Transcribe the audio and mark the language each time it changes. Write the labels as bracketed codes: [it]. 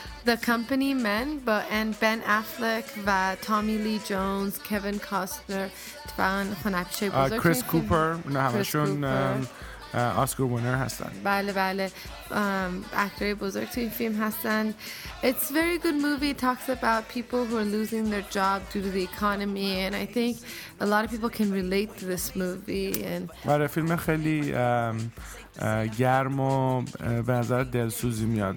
[fa] The Company Men با بن افلک و تامی لی جونز، کیوین کاستنر، توان خونکشه بزرگ، کریس کوپر، اونه همشون [en] Oscar winner [fa] هستن. بله اکتر بزرگ تو این فیلم هستن. [en] It's a very good movie. It talks about people who are losing their job due to the economy, and I think a lot of people can relate to this movie. And [fa] بله، فیلم خیلی گرم و به نظر دلسوزی میاد.